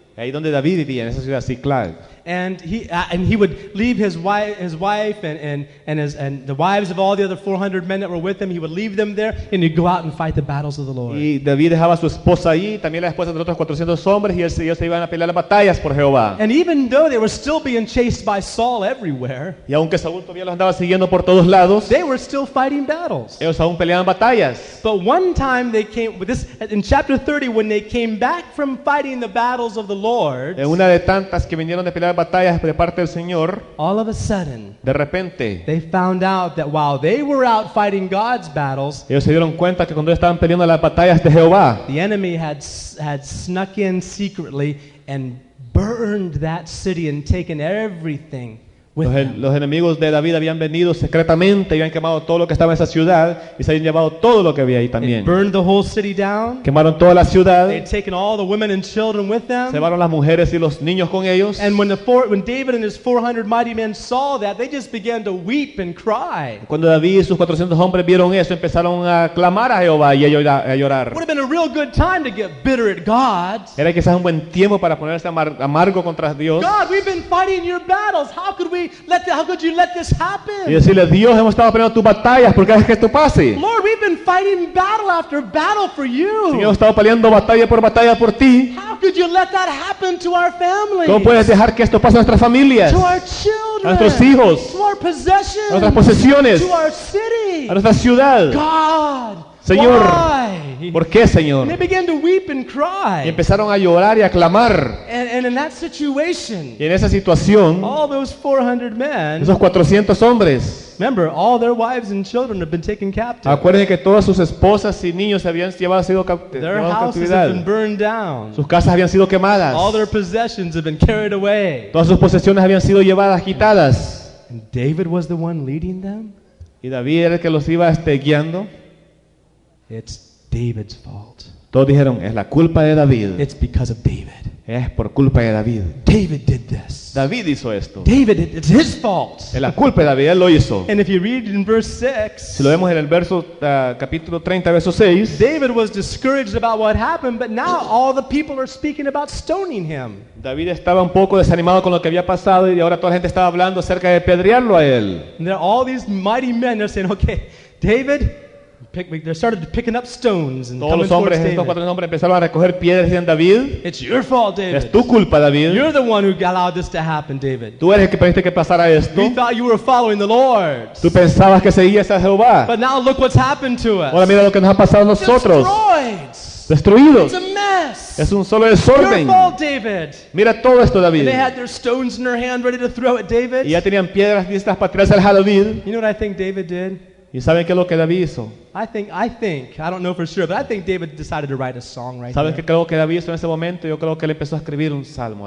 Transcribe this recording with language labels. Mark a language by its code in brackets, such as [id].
[es] Ahí donde David vivía, en esa ciudad, Ziklag. [en] And he would leave his wife and the wives of all the other 400 men that were with him. He would leave them there and he'd go out and fight the battles of the Lord. [es] Y David dejaba a su esposa ahí, también la esposa de otros 400 hombres, y ellos se iban a pelear las batallas por Jehová. [en] And even though they were still being chased by Saul everywhere, [es] y aunque Saúl todavía los andaba siguiendo por todos lados, [en] they were still fighting battles. [es] Ellos aún peleaban batallas. [en] But one time they came with this in chapter 30 when they came back from fighting the battles of the Lord. [es] En una de tantas que vinieron de pelear batallas de parte del Señor. [en] All of a sudden, [es] de repente, [en] they found out that while they were out fighting God's battles, [es] ellos se dieron cuenta que cuando estaban peleando las batallas de Jehová, [en] the enemy had snuck in secretly and burned that city and taken everything with them. [es] Los enemigos de David habían venido secretamente, habían quemado todo lo que estaba en esa ciudad y se habían llevado todo lo que había ahí también. [en] They burned the whole city down. [es] Quemaron toda la ciudad. [en] They had taken all the women and children with them. [es] Se llevaron las mujeres y los niños con ellos. [en] And when David and his 400 mighty men saw that, they just began to weep and cry. [es] Cuando David y sus 400 hombres vieron eso, empezaron a clamar a Jehová y a llorar. [en] Would have been a real good time to get bitter at God. [es] Era quizás un buen tiempo para ponerse amargo contra Dios. [en] God, we've been fighting your battles. How could we how could you let this happen? [es] Y decirle, Dios, hemos estado peleando tus batallas, ¿por qué haces que esto pase? [en] Lord, we've been fighting battle after battle for you. [es] Señor, hemos estado peleando batalla por batalla por ti. [en] How could you let that happen to our families? [es] ¿Cómo puedes dejar que esto pase a nuestras familias? [en] To our children. [es] A nuestros hijos. [en] To our possessions. [es] A nuestras posesiones. [en] To our city. [es] A nuestra ciudad. [en] God. [es] Señor, [en] why? [es] ¿Por qué, Señor? [en] They began to weep and cry. [es] Y empezaron a llorar y a clamar. [en] And in that situation, [es] y en esa situación, [en] all those 400 men, [es] esos 400 hombres, [en] remember, all their wives and children have been taken captive. [es] Acuérdense que todas sus esposas y niños habían llevado, sido captivos. [en] Their houses have been burned down. [es] Sus casas habían sido quemadas. [en] All their possessions have been carried away. [es] Todas sus posesiones habían sido llevadas, quitadas. [en] And David was the one leading them. [es] Y David era el que los iba guiando. [en] It's David's fault. [es] Todos dijeron, es la culpa de David. [en] It's because of David. [es] Es por culpa de David. [en] David did this. [es] David hizo esto. [en] David, it's his fault. [es] Es la culpa de David, él lo hizo. [en] And if you read in verse 6, [es] si lo vemos en el verso, capítulo 30, verso 6, [en] David was discouraged about what happened, but now all the people are speaking about stoning him. [es] David estaba un poco desanimado con lo que había pasado y ahora toda la gente estaba hablando acerca de apedrearlo a él. [en] And there are all these mighty men that are saying, okay, David, they started picking up stones and [es] todos los hombres, estos cuatro hombres empezaron a recoger piedras y decían, David, [en] it's your fault, David. [es] Es tu culpa, David. [en] You're the one who allowed this to happen, David. [es] Tú eres el que permitiste que pasara esto. [en] We thought you were following the Lord. [es] Tú pensabas que seguías a Jehová. [en] But now look what's happened to us. [es] Ahora mira lo que nos ha pasado a nosotros. [en] Destroyed. [es] Destruidos. [en] It's a mess. [es] Es un solo desorden. [en] Your fault, David. [es] Mira todo esto, David. [en] And they had their stones in their hand ready to throw at David. [es] Y ya tenían piedras listas para tirarse a David. [en] You know what I think David did? [es] ¿Y saben qué es lo que David hizo? [en] I think, I don't know for sure, but I think David decided to write a song right [es] ¿saben ¿Saben qué creo que David hizo en ese momento? Yo creo que él empezó a escribir un salmo